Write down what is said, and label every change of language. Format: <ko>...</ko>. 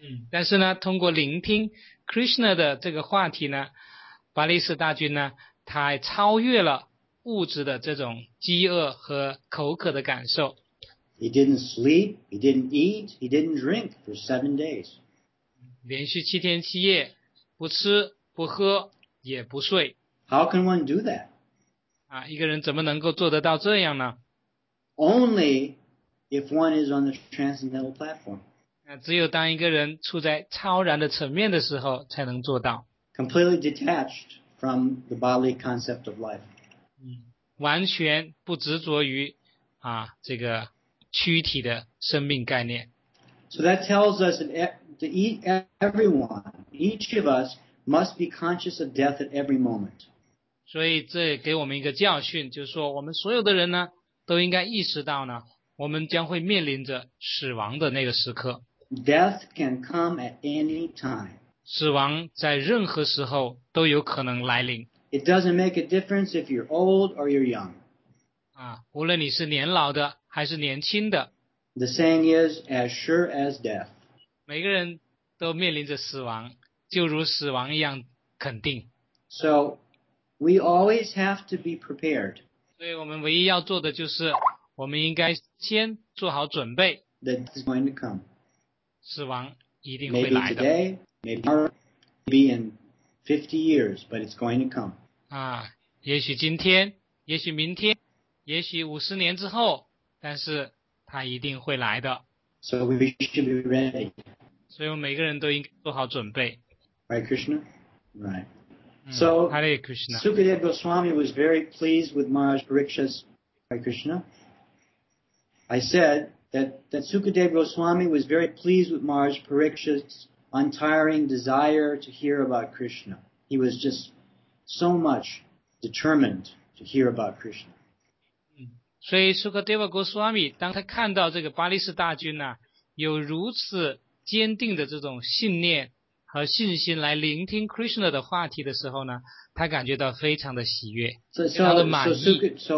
<zh>但是呢，通过聆听 Krishna 的这个话题呢，巴利士大君呢，他超越了物质的这种饥饿和口渴的感受。</zh> <en>He didn't sleep, he didn't eat, he didn't drink for 7 days.</en> <zh>连续七天七夜。不吃不喝也不睡。</zh> <en>How can one do that?</en> <zh>啊，一个人怎么能够做得到这样呢？</zh> <en>Only if one is on the transcendental platform.</en> <zh>啊，只有当一个人处在超然的层面的时候才能做到。</zh> <en>Completely detached from the bodily concept of life.</en> <zh>完全不执着于啊这个躯体的生命概念。</zh> <en>So that tells us that everyone, each of us, must be conscious of death at every moment.</en> <zh>所以这给我们一个教训，就是说我们所有的人呢，都应该意识到呢，我们将会面临着死亡的那个时刻。</zh> <en>Death can come at any time.</en> <zh>死亡在任何时候都有可能来临。</zh> <en>It doesn't make a difference if you're old or you're young.</en> <zh>啊，无论你是年老的还是年轻的。</zh> <en>The saying is, as sure as death.</en> <zh>每个人都面临着死亡，就如死亡一样肯定。</zh> <en>So, We always have to be prepared.</en> <zh>所以我们唯一要做的就是我们应该先做好准备。</zh> <en>That is going to come.</en> <zh>死亡一定会来的。</zh> <en>Maybe today, maybe tomorrow, maybe in 50 years, but it's going to come.</en> <zh>啊，也许今天，也许明天，也许50年之后，但是它一定会来的。</zh> <en>So we should be ready.</en> <zh>所以我们每个人都应该做好准备。</zh> <en>Right, Krishna? Right. So, Hare Krishna. Sukadeva Goswami was very pleased with Maharaj Pariksha's, Hare Krishna. I said that Sukadeva Goswami was very pleased with Maharaj Pariksha's untiring desire to hear about Krishna. He was just so much determined to hear about Krishna.</en> <zh>所以 Sukadeva Goswami, 当他看到这个巴利士大军啊，有如此坚定的这种信念和信心来聆听 Krishna 的话题的时候呢，他感觉到非常的喜悦，非常的满意。</zh>